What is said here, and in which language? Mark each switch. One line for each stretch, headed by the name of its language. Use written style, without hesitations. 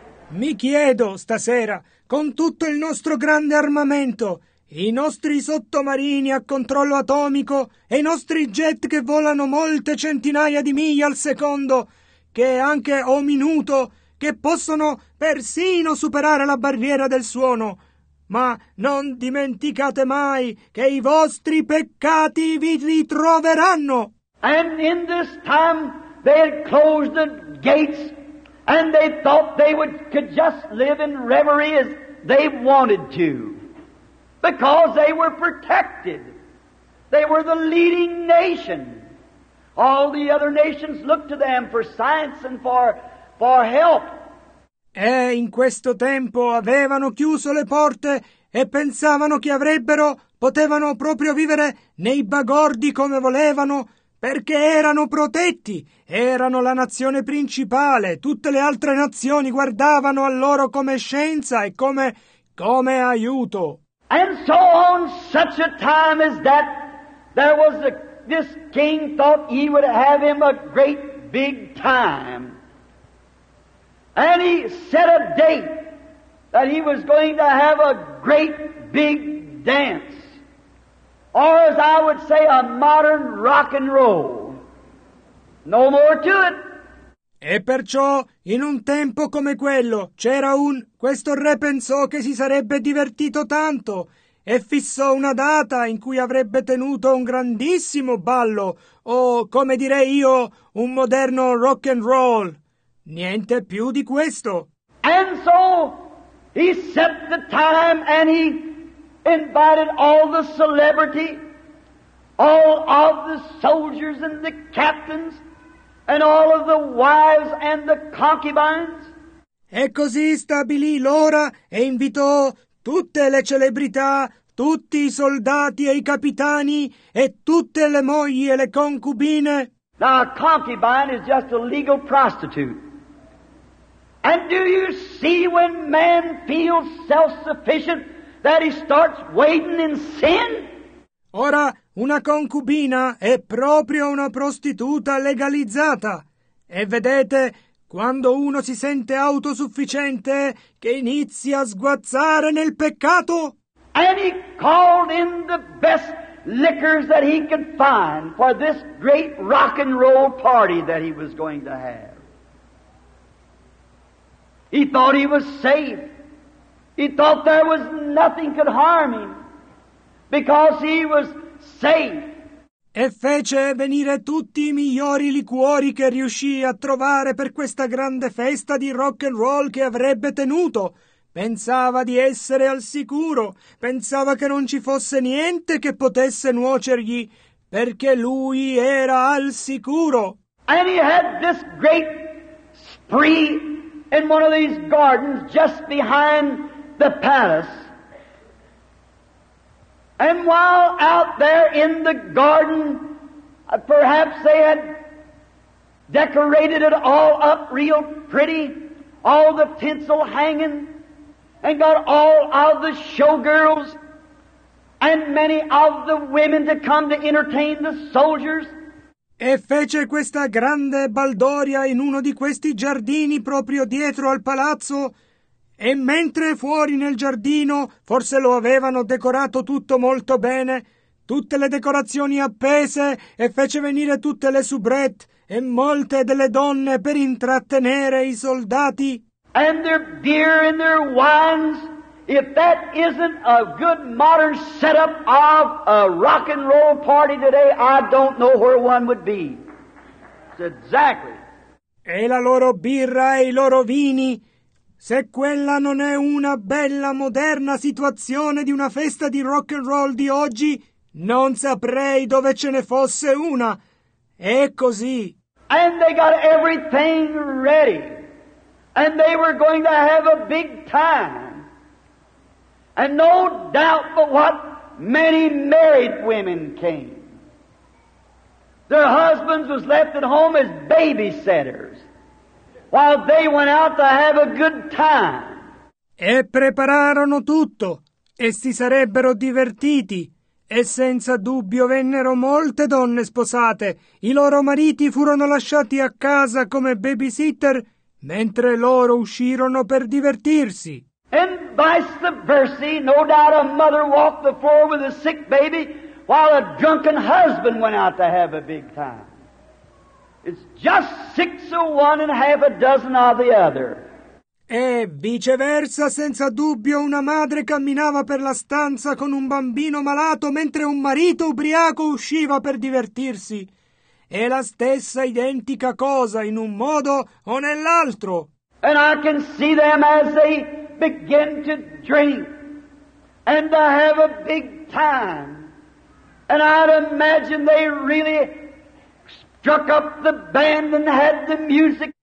Italian: Mi chiedo stasera, con tutto il nostro grande armamento, i nostri sottomarini a controllo atomico e i nostri jet che volano molte centinaia di miglia al secondo, che anche o minuto, che possono persino superare la barriera del suono. Ma non dimenticate mai che i vostri peccati vi ritroveranno.
English: And in this time they had closed the gates and they thought they could just live in reverie as they wanted to, because they were protected. They were the leading nation. All the other nations looked to them for science and for help.
Italian: E in questo tempo avevano chiuso le porte e pensavano che avrebbero, potevano proprio vivere nei bagordi come volevano, perché erano protetti, erano la nazione principale, tutte le altre nazioni guardavano a loro come scienza e come aiuto.
English: And so on such a time as that, there was this king thought he would have him a great big time. And he set a date that he was going to have a great big dance, or as I would say, a modern rock and roll. No more to it.
Italian: E perciò, in un tempo come quello, c'era un... Questo re pensò che si sarebbe divertito tanto e fissò una data in cui avrebbe tenuto un grandissimo ballo, o, come direi io, un moderno rock and roll. Niente più di questo.
English: And so he set the time and he invited all the celebrity, all of the soldiers and the captains and all of the wives and the concubines.
Italian: E così stabilì l'ora e invitò tutte le celebrità, tutti i soldati e i capitani e tutte le mogli e le concubine.
English: Now a concubine is just a legal prostitute. And do you see when man feels self-sufficient that he starts wading in sin?
Italian: Ora, una concubina è proprio una prostituta legalizzata. E vedete, quando uno si sente autosufficiente, che inizia a sguazzare nel peccato?
English: And he called in the best liquors that he could find for this great rock and roll party that he was going to have. He thought he was safe. He thought there was nothing could harm him because he was safe.
Italian: E fece venire tutti i migliori liquori che riuscì a trovare per questa grande festa di rock and roll che avrebbe tenuto. Pensava di essere al sicuro, pensava che non ci fosse niente che potesse nuocergli, perché lui era al sicuro.
English: And he had this great spree in one of these gardens just behind the palace. And while out there in the garden, perhaps they had decorated it all up real pretty, all the tinsel hanging, and got all of the showgirls and many of the women to come to entertain the soldiers.
Italian: E fece questa grande baldoria in uno di questi giardini proprio dietro al palazzo. E mentre fuori nel giardino, forse lo avevano decorato tutto molto bene, tutte le decorazioni appese, e fece venire tutte le soubrette e molte delle donne per intrattenere i soldati.
English: And their beer and their wines, if that isn't a good modern setup of a rock and roll party today, I don't know where one would be. It's exactly.
Italian: E la loro birra e i loro vini, se quella non è una bella moderna situazione di una festa di rock and roll di oggi, non saprei dove ce ne fosse una. È così.
English: And they got everything ready. And they were going to have a big time. And no doubt but what many married women came. Their husbands was left at home as babysitters while they went out to have a good time.
Italian: E prepararono tutto e si sarebbero divertiti. E senza dubbio vennero molte donne sposate. I loro mariti furono lasciati a casa come babysitter mentre loro uscirono per divertirsi.
English: And vice versa, no doubt a mother walked the floor with a sick baby while a drunken husband went out to have a big time. It's just six of one and half a dozen of the other.
Italian: E viceversa, senza dubbio, una madre camminava per la stanza con un bambino malato mentre un marito ubriaco usciva per divertirsi. È la stessa identica cosa in un modo o nell'altro.
English: And I can see them as they begin to drink and to have a big time. And I'd imagine they really struck up the band and had the music.